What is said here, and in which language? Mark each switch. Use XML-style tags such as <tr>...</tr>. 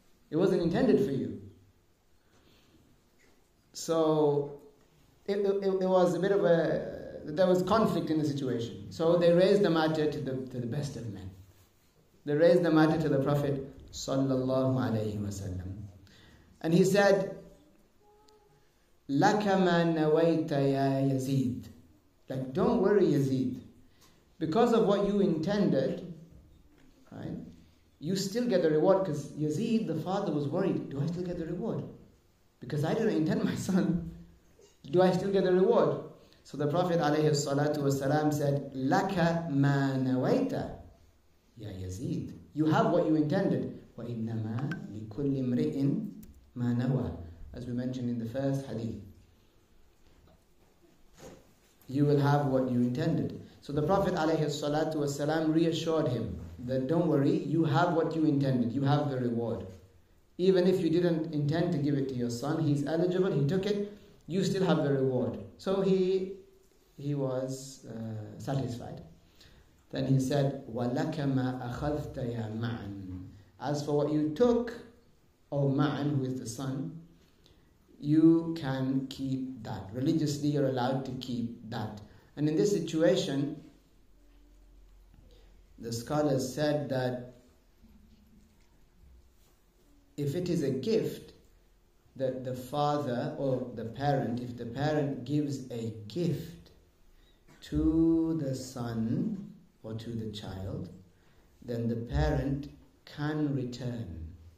<en>It wasn't intended for you. So it was a bit of a, there was conflict in the situation. So they raised the matter to the best of men. They raised the matter to the Prophet sallallahu alayhi wa sallam. And he said,</en> <ar>لَكَ مَا نَوَيْتَ يَا يَزِيد.</ar> <en>Like, don't worry, Yazid. Because of what you intended, right, you still get the reward, because Yazid, the father, was worried, do I still get the reward? Because I didn't intend my son, do I still get the reward? So the Prophet alayhi salatu wasalam said,</en> <ar>لَكَ مَا نَوَيْتَ يَا يَزِيد.</ar> <en>You have what you intended.</en> <ar>وَإِنَّمَا لِكُلِّ امْرِئٍ مَا نَوَى.</ar> <en>As we mentioned in the first hadith, you will have what you intended. So the Prophet ﷺ reassured him that don't worry, you have what you intended, you have the reward. Even if you didn't intend to give it to your son, he's eligible, he took it, you still have the reward. So he was satisfied. Then he said,</en> <ar>وَلَكَ مَا أَخَذْتَ يَا مَعَنْ.</ar> <en>As for what you took, O Ma'an, who is the son, you can keep that. Religiously, you're allowed to keep that. And in this situation, the scholars said that if it is a gift, that the father or the parent, if the parent gives a gift to the son or to the child, then the parent can return.</en>